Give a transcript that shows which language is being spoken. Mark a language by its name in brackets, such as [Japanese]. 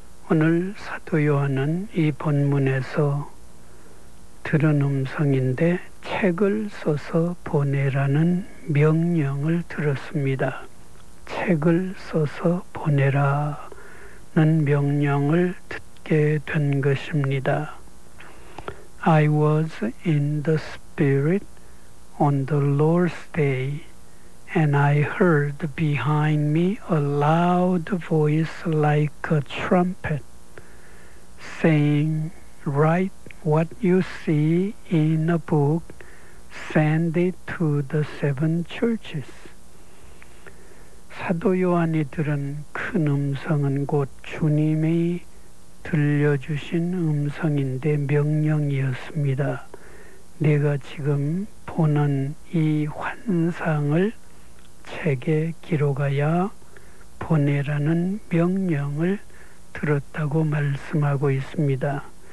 [Korean] 오늘 사도 요한은 이 본문에서 들은 음성인데 책을 써서 보내라는 명령을 들었습니다. 책을 써서 보내라는 명령을 듣게 된 것입니다. [English] I was in the Spirit on the Lord's day, and I heard behind me a loud voice like a trumpet, saying, Write what you see in a book, send it to the seven churches. [Korean] 사도 요한이 들은 큰 음성은 곧 주님이 들려주신 음성인데 명령이었습니다. 내가 지금 보는 이 환상을 책에 기록하여 보내라는 명령을 들었다고 말씀하고 있습니다.